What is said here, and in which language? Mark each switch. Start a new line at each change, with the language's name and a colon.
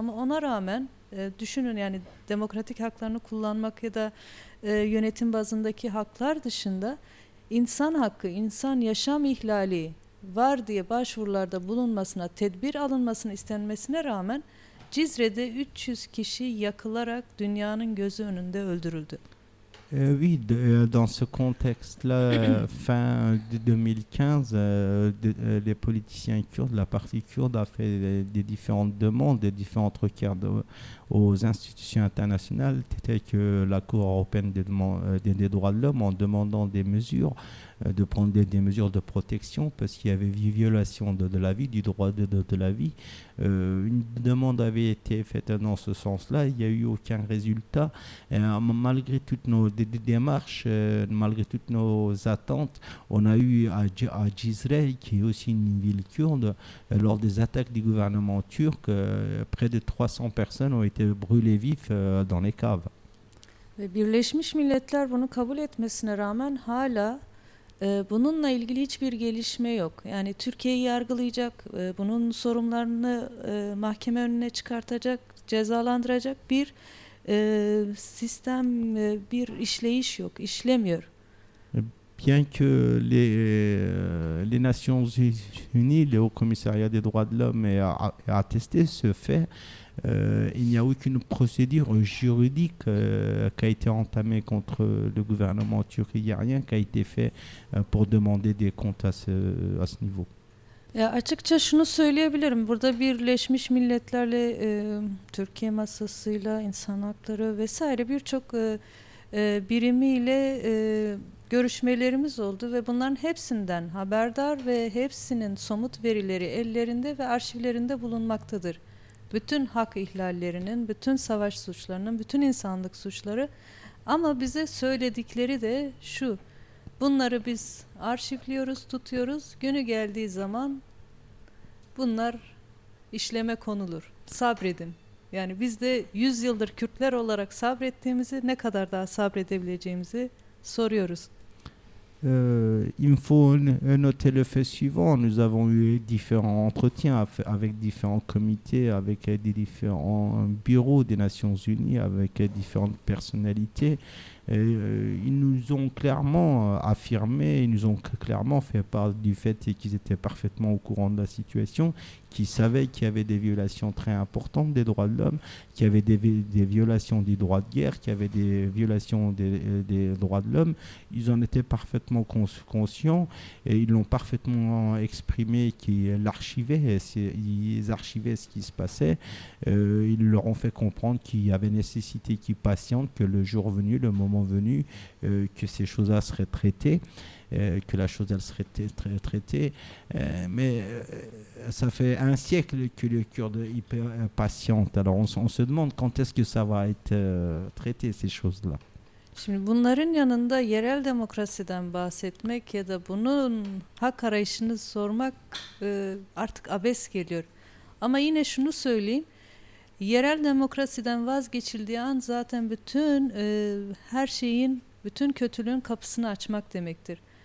Turkish: Ama ona rağmen düşünün, yani demokratik haklarını kullanmak ya da yönetim bazındaki haklar dışında insan hakkı, insan yaşam ihlali var diye başvurularda bulunmasına, tedbir alınmasına istenmesine rağmen Cizre'de 300 kişi yakılarak dünyanın gözü önünde öldürüldü.
French: Oui, dans ce contexte-là, fin de 2015, les politiciens kurdes, la partie kurde a fait des différentes demandes, des différentes requêtes aux institutions internationales, telles que la Cour européenne des droits de l'homme, en demandant des mesures, de prendre des mesures de protection, parce qu'il y avait violation de la vie, du droit de la vie. Une demande avait été faite dans ce sens-là, il n'y a eu aucun résultat. Et malgré toutes nos démarches, malgré toutes nos attentes, on a eu à Cizre, qui est aussi une ville kurde, lors des attaques du gouvernement turc, près de 300 personnes ont été brûlées vives dans les caves.
Turkish: Birleşmiş Milletler bunu kabul etmesine rağmen hala bununla ilgili hiçbir gelişme yok. Yani Türkiye'yi yargılayacak, bunun sorumlularını mahkeme önüne çıkartacak, cezalandıracak bir sistem, bir işleyiş yok, işlemiyor.
French: Bien que les Nations Unies, le Haut Commissariat des droits de l'homme aient attesté ce fait, il n'y a aucune procédure juridique qui a été entamée contre le gouvernement turc. Il n'y a rien qui a été fait pour demander des comptes à ce niveau.
Turkish: Ya açıkça şunu söyleyebilirim. Burada Birleşmiş Milletler'le Türkiye masasıyla insan hakları vesaire birçok birimiyle görüşmelerimiz oldu ve bunların hepsinden haberdar ve hepsinin somut verileri ellerinde ve arşivlerinde bulunmaktadır. Bütün hak ihlallerinin, bütün savaş suçlarının, bütün insanlık suçları. Ama bize söyledikleri de şu: bunları biz arşivliyoruz, tutuyoruz. Günü geldiği zaman bunlar işleme konulur. Sabredin. Yani biz de 100 yıldır Kürtler olarak sabrettiğimizi, ne kadar daha sabredebileceğimizi soruyoruz.
French: Il faut noter le fait suivant. Nous avons eu différents entretiens avec différents comités, avec des différents bureaux des Nations Unies, avec différentes personnalités. Ils nous ont clairement affirmé, ils nous ont clairement fait part du fait qu'ils étaient parfaitement au courant de la situation, qu'ils savaient qu'il y avait des violations très importantes des droits de l'homme, qu'il y avait des violations du droit de guerre, qu'il y avait des violations des droits de l'homme. Ils en étaient parfaitement conscients et ils l'ont parfaitement exprimé, qu'ils archivaient ce qui se passait. Ils leur ont fait comprendre qu'il y avait nécessité qu'ils patientent, que le jour venu, le moment venu, que ces choses-là seraient traitées, que la chose elle serait traitée. Mais ça fait un siècle que les Kurdes hyper patientent. Alors on se demande quand est-ce que ça va être traité, ces choses-là.
Turkish: Şimdi bunların yanında yerel demokrasiden bahsetmek ya da bunun hak arayışını sormak artık abes geliyor. Ama yine şunu söyleyeyim. Yerel demokrasiden vazgeçildiği an zaten bütün her şeyin, bütün kötülüğün kapısını açmak demektir.